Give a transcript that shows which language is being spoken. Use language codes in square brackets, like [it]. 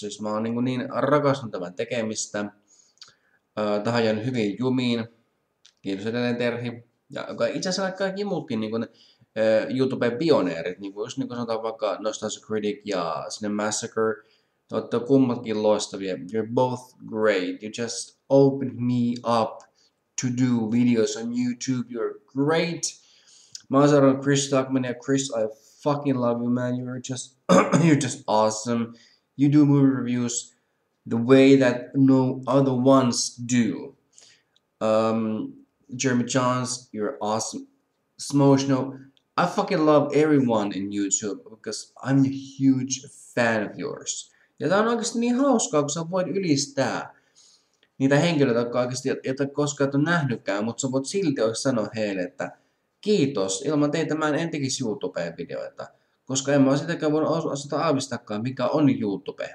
[fi] Siis mä oon niin rakastanut tämän tekemistä. Tähän jäänyt hyvin jumiin. Kiitos edelleen Terhi. Ja itse asiassa kaikki muutkin YouTube-pioneerit. Niin kuin sanotaan vaikka Nostalgia Critic ja sinne Massacre. Te olette kummatkin loistavia. [en] You're both great. You just opened me up to do videos on YouTube. You're great. [fi] Mä oon saanut [en] Chris Duckman ja Chris, I fucking love you, man. You're just awesome. You do movie reviews the way that no other ones do. Jeremy Johns, you're awesome. Smotional, I fucking love everyone in YouTube because I'm a huge fan of yours. [fi] Ja tää on oikeesti niin hauskaa, kun sä voit ylistää niitä henkilöitä, jotka oikeesti et ole koskaan et ole nähnytkään, mutta sä voit silti oikeesti sanoa heille, että kiitos, ilman teitä mä en tekisi YouTube-videoita. Koska en mä sitäkään voinut osata aavistakaan, mikä on YouTube.